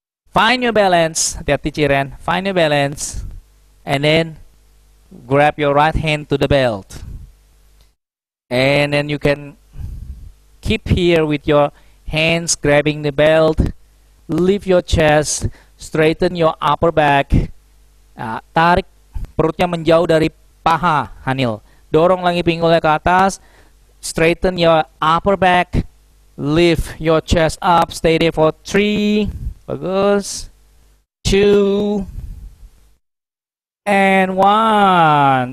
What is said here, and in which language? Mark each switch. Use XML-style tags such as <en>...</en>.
<en>Find your balance.</en> <id>Hati-hati</id> <en>Ciren. Find your balance. And then grab your right hand to the belt. And then you can keep here with your hands grabbing the belt. Lift your chest. Straighten your upper back.</en> <id>Tarik perutnya menjauh dari paha, Hanil. Dorong lagi pinggulnya ke atas.</id> <en>Straighten your upper back. Lift your chest up, stay there for 3, bagus, 2, and 1.</en>